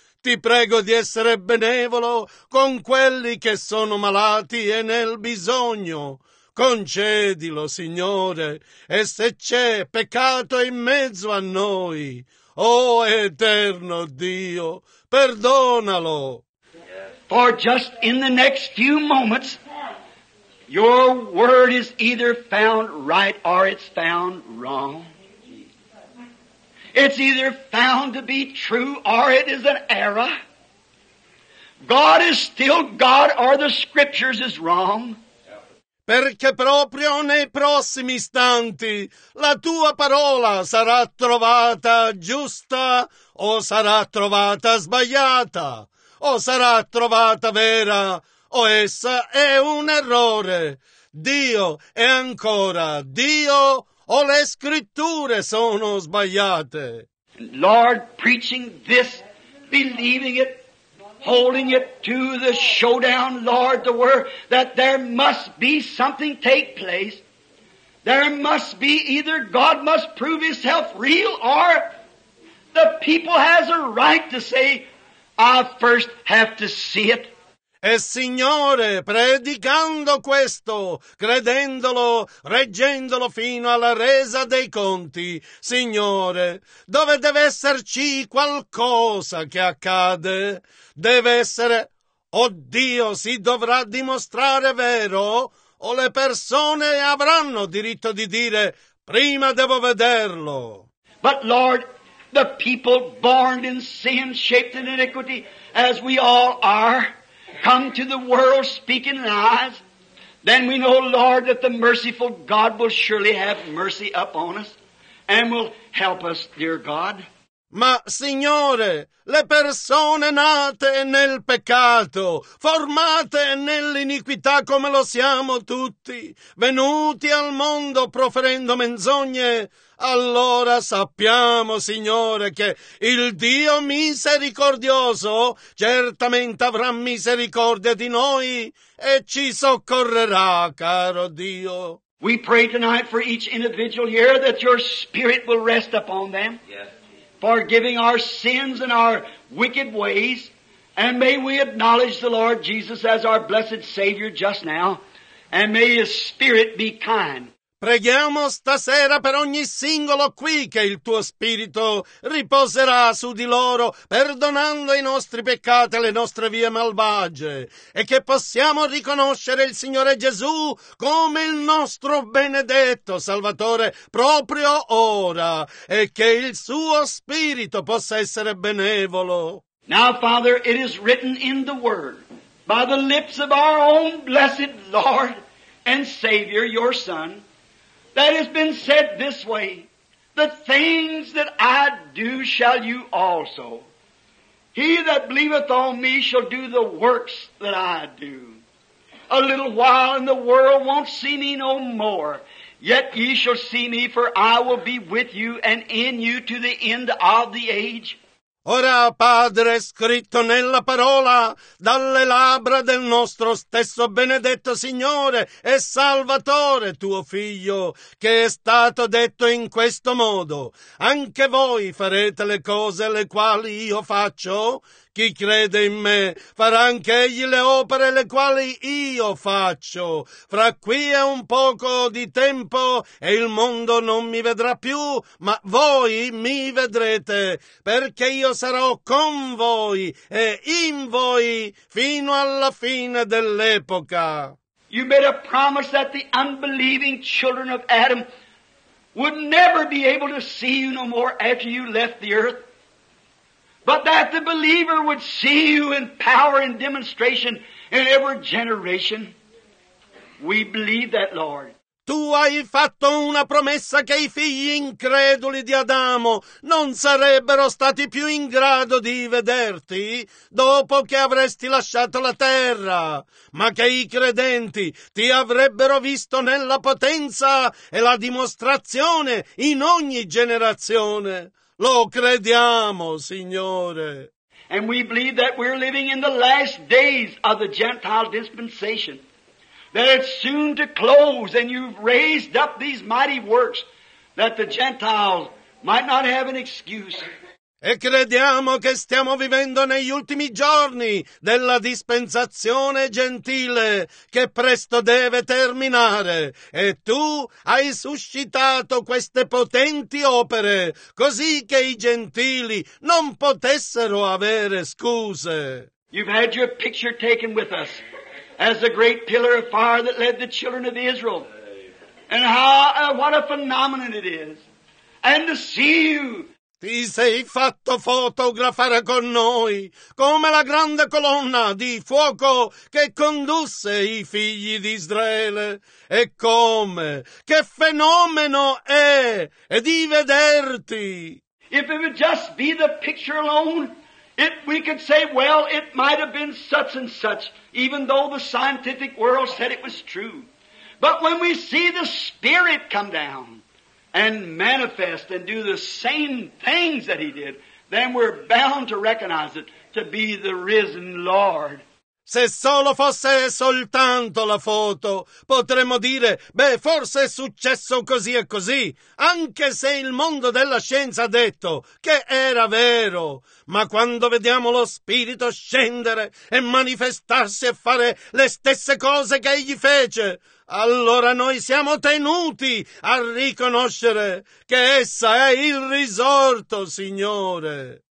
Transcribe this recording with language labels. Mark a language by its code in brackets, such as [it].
[it] Ti prego di essere benevolo con quelli che sono malati e nel bisogno. Concedilo, Signore, e se c'è peccato in mezzo a noi, o eterno Dio, perdonalo. [en] For just in the next few moments, your word is either found right or it's found wrong. It's either found to be true or it is an error. God is still God or the scriptures is wrong. [it] Perché proprio nei prossimi istanti la tua parola sarà trovata giusta o sarà trovata sbagliata o sarà trovata vera o essa è un errore. Dio è ancora Dio. O le scritture sono sbagliate. [en] Lord, preaching this, believing it, holding it to the showdown, Lord, the word, that there must be something take place. There must be either God must prove himself real or the people has a right to say, I first have to see it. [it] E Signore, predicando questo, credendolo, reggendolo fino alla resa dei conti, Signore, dove deve esserci qualcosa che accade, deve essere, o Dio si dovrà dimostrare vero, o le persone avranno diritto di dire, prima devo vederlo. [en] But Lord, the people born in sin, shaped in iniquity, as we all are, come to the world speaking lies, then we know, Lord, that the merciful God will surely have mercy upon us and will help us, dear God. [it] Ma, Signore, le persone nate nel peccato, formate nell'iniquità come lo siamo tutti, venuti al mondo proferendo menzogne, allora sappiamo, Signore, che il Dio misericordioso certamente avrà misericordia di noi e ci soccorrerà, caro Dio. [en] We pray tonight for each individual here that your spirit will rest upon them. Yes. forgiving our sins and our wicked ways. And may we acknowledge the Lord Jesus as our blessed Savior just now. And may His Spirit be kind. [it] Preghiamo stasera per ogni singolo qui che il Tuo Spirito riposerà su di loro, perdonando i nostri peccati e le nostre vie malvagie, e che possiamo riconoscere il Signore Gesù come il nostro benedetto Salvatore proprio ora, e che il Suo Spirito possa essere benevolo. [en] Now, Father, it is written in the Word, by the lips of our own blessed Lord and Savior, Your Son, that has been said this way, the things that I do shall you also. He that believeth on me shall do the works that I do. A little while and the world won't see me no more, yet ye shall see me, for I will be with you and in you to the end of the age. [it] Ora, Padre, scritto nella parola, dalle labbra del nostro stesso benedetto Signore e Salvatore, tuo Figlio, che è stato detto in questo modo, anche voi farete le cose le quali io faccio? Chi crede in me farà anche egli le opere le quali io faccio. Fra qui è un poco di tempo e il mondo non mi vedrà più, ma voi mi vedrete, perché io sarò con voi e in voi fino alla fine dell'epoca. [en] You made a promise that the unbelieving children of Adam would never be able to see you no more after you left the earth. But that the believer would see you in power and demonstration in every generation. We believe that, Lord. [it] Tu hai fatto una promessa che i figli increduli di Adamo non sarebbero stati più in grado di vederti dopo che avresti lasciato la terra, ma che i credenti ti avrebbero visto nella potenza e la dimostrazione in ogni generazione. Lo crediamo, Signore. [en] And we believe that we're living in the last days of the Gentile dispensation. That it's soon to close and you've raised up these mighty works that the Gentiles might not have an excuse. [it] E crediamo che stiamo vivendo negli ultimi giorni della dispensazione gentile che presto deve terminare. E tu hai suscitato queste potenti opere così che i gentili non potessero avere scuse. [en] You've had your picture taken with us as the great pillar of fire that led the children of Israel. And what a phenomenon it is. And to see you. [it] Ti sei fatto fotografare con noi, come la grande colonna di fuoco che condusse i figli di Israele. E come, che fenomeno è, e di vederti! [en] If it would just be the picture alone, we could say, well, it might have been such and such, even though the scientific world said it was true. But when we see the Spirit come down, and manifest and do the same things that he did, then we're bound to recognize it to be the risen Lord. [it] Se solo fosse soltanto la foto, potremmo dire, beh, forse è successo così e così, anche se il mondo della scienza ha detto che era vero. Ma quando vediamo lo Spirito scendere e manifestarsi e fare le stesse cose che egli fece, allora noi siamo tenuti a riconoscere che essa è il risorto, Signore.